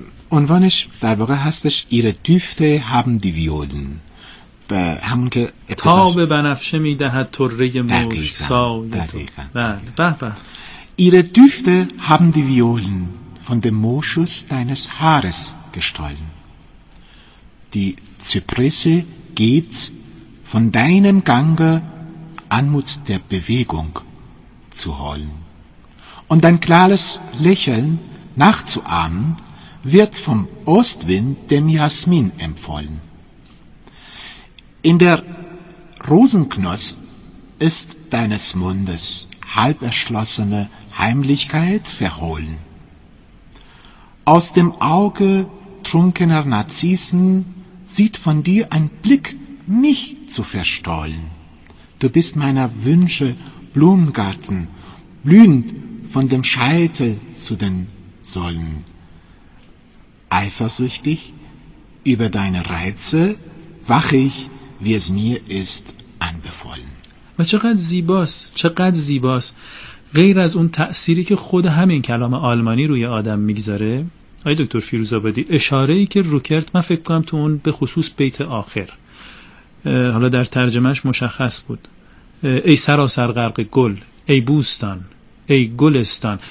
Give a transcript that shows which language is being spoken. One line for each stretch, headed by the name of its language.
Persian: عنوانش در واقع هستش
German: ایره دوفت هم دی ویولن،
Persian: همون که ابتدار... تا به بنفشه میدهد طره مشک سایه تو. بله بله،
German: ایره دوفت هم دی ویولن von dem Moschus deines Haares gestollen. Die Zypresse geht von deinem Gange Anmut der Bewegung zu holen. Und dein klares Lächeln nachzuahmen wird vom Ostwind dem Jasmin empfohlen. In der Rosenknosp ist deines Mundes halb erschlossene Heimlichkeit verhohlen. Aus dem Auge trunkener Narzissen sieht von dir ein Blick mich zu verstohlen. Du bist meiner Wünsche Blumengarten, blühend von dem Scheitel zu den Säulen. Eifersüchtig über deine Reize wache ich, wie es mir ist, anbefohlen.
Persian: و چقدر زیباست، چقدر زیباست. غیر از اون تأثیری که خود همین کلام آلمانی روی آدم میگذاره، آی دکتر فیروزآبادی، اشاره ای که روکرت من فکر کنم تو اون به خصوص بیت آخر، حالا در ترجمهش مشخص بود، ای سراسر غرق گل، ای بوستان، ای گلستان.